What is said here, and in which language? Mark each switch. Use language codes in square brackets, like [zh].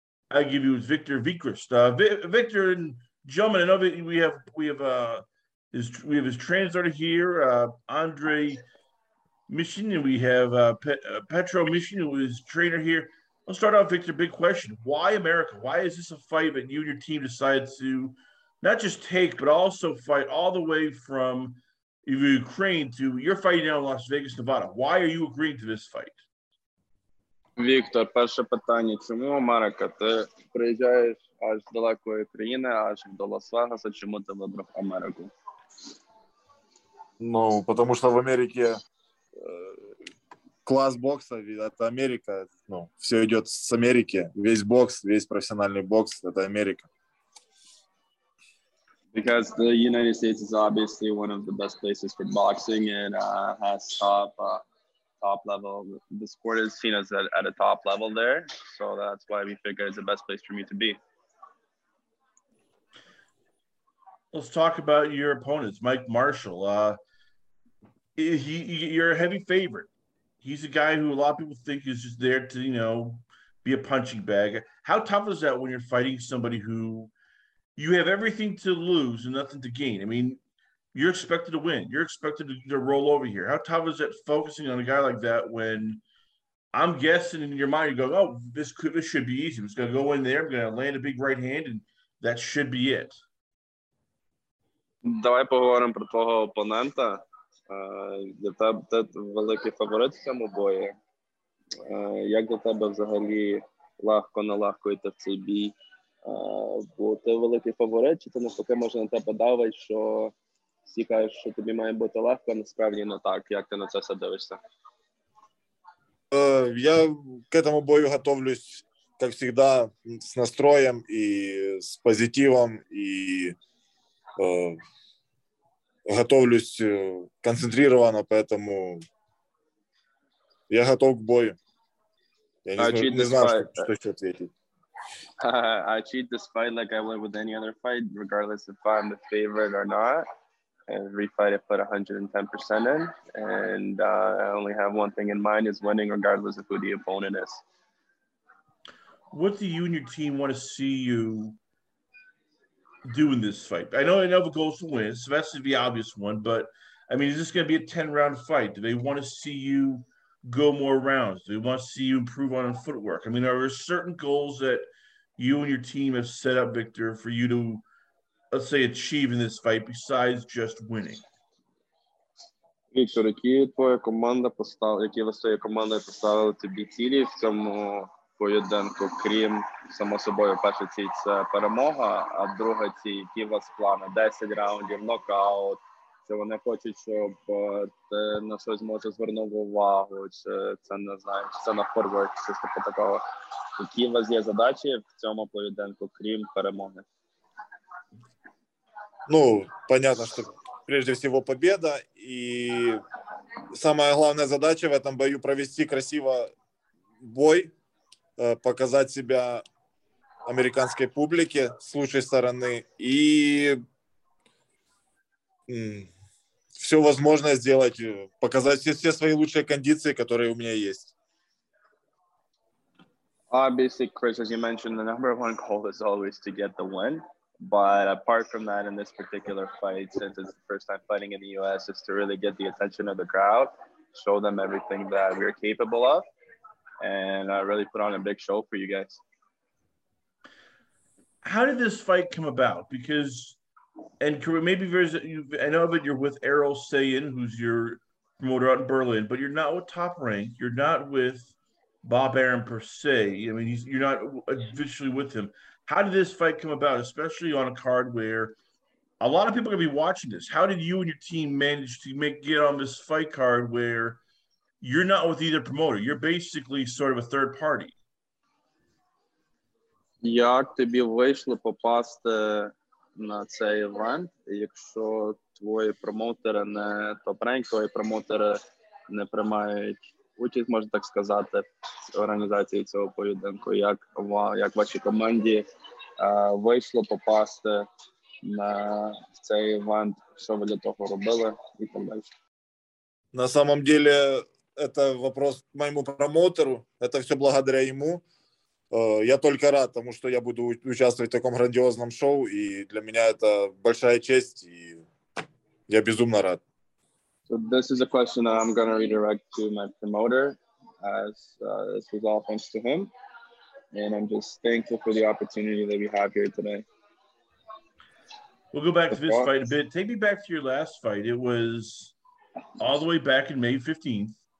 [en] I give you Victor Vikrist. Victor and gentlemen, I know that we have his translator here, Andre Mishin, and we have Petro Mishin, who is trainer here. Let's start off, Victor. Big question: why America? Why is this a fight that you and your team decided to not just take, but also fight all the way from Ukraine to you're fighting down in Las Vegas, Nevada? Why are you agreeing to this fight? [uk] Віктор, перше питання, чому Америка? Ти приїжджаєш аж з далекої країни, аж до Лас-Вегаса, чому ти вибрав Америку? Ну, тому що в Америці клас бокса, це Америка, ну, все йде з Америки, весь бокс, весь професіональний бокс, це Америка. [en] Because the United States is obviously one of the best places for boxing and has top level. The sport is seen as at a top level there, so that's why we figure it's the best place for me to be. Let's talk about your opponents, Mike Marshall. He, you're a heavy favorite. He's a guy who a lot of people think is just there to, you know, be a punching bag. How tough is that when you're fighting somebody who you have everything to lose and nothing to gain? I mean, you're expected to win. You're expected to roll over here. How tough is it focusing on a guy like that when I'm guessing in your mind you go, oh, this should be easy. I'm just going to go in there. I'm going to land a big right hand, and that should be it. [uk] Давай поговоримо про твого опонента. Для тебе великий фаворит в цьому бою. Як для тебе взагалі легко, нелегко йти в цей бій? Бо ти великий фаворит, чи ти навпаки може на тебе давить, що всі кажуть, що тобі має бути легко, насправді не так. Як ти на це все дивишся? [ru] Я к этому бою готовлюсь, как всегда, с настроем и с позитивом, и готовлюсь концентрированно, поэтому я готов к бою. Я не знаю, что ещё ответить. [en] I treat this fight like I would with any other fight, regardless if I'm the favorite or not. every fight I put 110% in, and I only have one thing in mind, is winning regardless of who the opponent is. What do you and your team want to see you do in this fight? I know Nova goes to win, so that's the obvious one, but I mean, is this going to be a 10-round fight? Do they want to see you go more rounds? Do they want to see you improve on footwork? I mean, are there certain goals that you and your team have set up, Victor, for you to, let's say, achieve in this fight besides just winning? [uk] Victor, які твоя команда поставила, які ви своєю командою поставили тобі цілі в цьому поєдинку, крім, само собою, перша ціль – це перемога, а друга ціль – які у вас плани? 10 раундів, нокаут. Чи вони хочуть, щоб ти на щось може звернув увагу, чи це не знаю, чи це на форвард, чи щось типу такого. Які у вас є задачі в цьому поєдинку, крім перемоги? [ru] Ну, понятно, що прежде всего победа, і самая главная задача в этом бою провести красиво бой, [uk] показати себе американській публіці [ru] з лучшей сторони і все возможное сделать, показать все свои лучшие кондиции, которые у меня есть. [en] Obviously, Chris, as you mentioned, the number one goal is always to get the win. But apart from that, in this particular fight, since it's the first time fighting in the U.S., is to really get the attention of the crowd, show them everything that we're capable of, and really put on a big show for you guys. How did this fight come about? Because... And maybe there's, I know that you're with Errol Sayin, who's your promoter out in Berlin, but you're not with Top Rank. You're not with Bob Arum per se. I mean, you're not officially with him. How did this fight come about, especially on a card where a lot of people are going to be watching this? How did you and your team manage to get on this fight card where you're not with either promoter? You're basically sort of a third party. [uk] Як тобі вийшло попасти на цей івент, якщо твої промоутери не топ-ренк, твої промоутери не приймають участь, можна так сказати, в організації цього поєдинку, як вашій команді вийшло попасти на цей івент, що ви для того робили і так далі. [ru] На самом деле, это вопрос моєму промоутеру, это все благодаря йому. Я только рад тому, что я буду участвовать в таком грандиозном шоу, и для меня это большая честь, и я безумно рад. [en] So this is a question that I'm going to redirect to my promoter, as this was all thanks to him, and I'm just thankful for the opportunity that we have here today. We'll go back to this fight a bit. Take me back to your last fight. It was all the way back in May 15th.